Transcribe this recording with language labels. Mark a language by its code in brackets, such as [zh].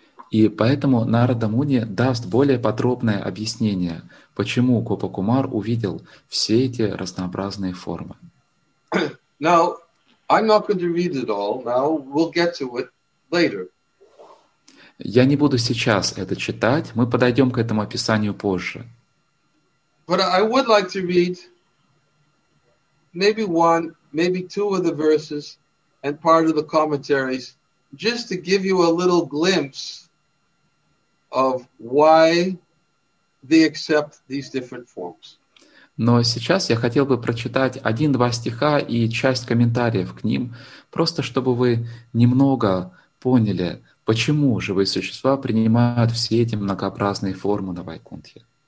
[ru] И поэтому Нарада Муни даст более подробное объяснение, почему Гопа Кумар увидел все эти разнообразные формы. [en] Now, I'm not going to read it all. Now, we'll get to it later. [ru] Я не буду сейчас это читать. Мы подойдем к этому описанию позже. [en] But I would like to read maybe one, maybe two of the verses and part of the commentaries just to give you a little glimpse of why they accept these different forms. [ru] Но сейчас я хотел бы прочитать один-два стиха и часть комментариев к ним, просто чтобы вы немного поняли, почему живые существа принимают все эти многообразные формы на Вайкунтхе.